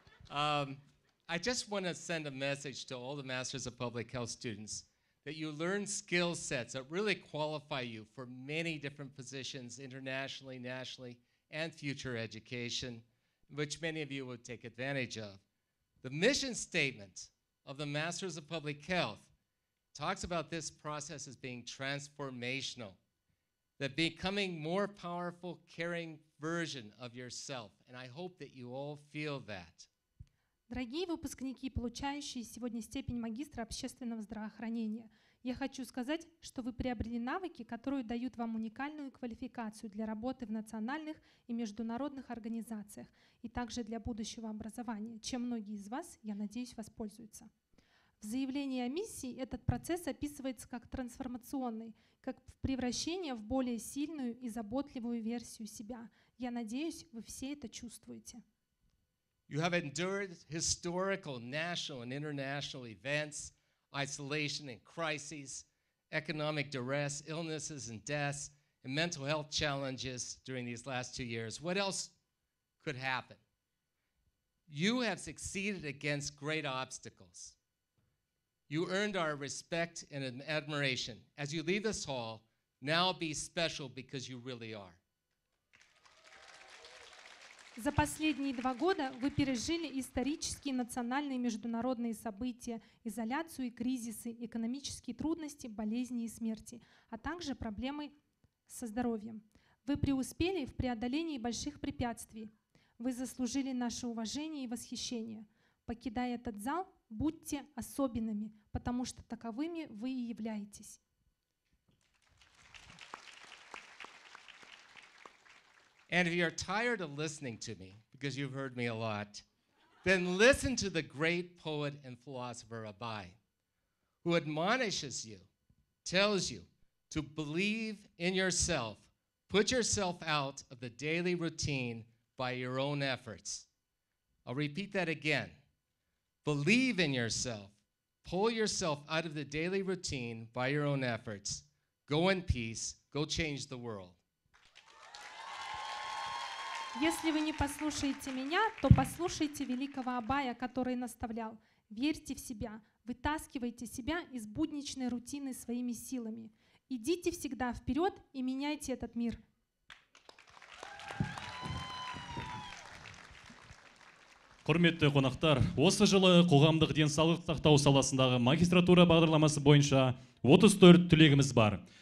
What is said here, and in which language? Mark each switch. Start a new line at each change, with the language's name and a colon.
English: I just want to send a message to all the Masters of Public Health students that you learn skill sets that really qualify you for many different positions internationally, nationally, and future education, which many of you will take advantage of. The mission statement of the Masters of Public Health talks about this process as being transformational, that becoming more powerful, caring version of yourself. And I hope that you all feel that.
Russian: Дорогие выпускники, получающие сегодня степень магистра общественного здравоохранения, я хочу сказать, что вы приобрели навыки, которые дают вам уникальную квалификацию для работы в национальных и международных организациях и также для будущего образования, чем многие из вас, я надеюсь, воспользуются. В заявлении о миссии этот процесс описывается как трансформационный, как превращение в более сильную и заботливую версию себя. Я надеюсь, вы все это чувствуете.
English: You have endured historical, national, and international events, isolation and crises, economic duress, illnesses and deaths, and mental health challenges during these last 2 years. What else could happen? You have succeeded against great obstacles. You earned our respect and admiration. As you leave this hall, now be special because you really are.
Russian: За последние два года вы пережили исторические, национальные и международные события, изоляцию и кризисы, экономические трудности, болезни и смерти, а также проблемы со здоровьем. Вы преуспели в преодолении больших препятствий. Вы заслужили наше уважение и восхищение. Покидая этот зал, будьте особенными, потому что таковыми вы и являетесь.
English: And if you're tired of listening to me, because you've heard me a lot, then listen to the great poet and philosopher Abai, who admonishes you, tells you to believe in yourself, put yourself out of the daily routine by your own efforts. I'll repeat that again. Believe in yourself, pull yourself out of the daily routine by your own efforts. Go in peace, go change the world.
Russian: Если вы не послушаете меня, то послушайте великого Абая, который наставлял: верьте в себя, вытаскивайте себя из будничной рутины своими силами. Идите всегда вперед и меняйте этот мир.
Kazakh: Құрметті қонақтар, осы жылы қоғамдық денсаулық сақтау саласындағы магистратура бағдарламасы бойынша 34 түлегіміз бар.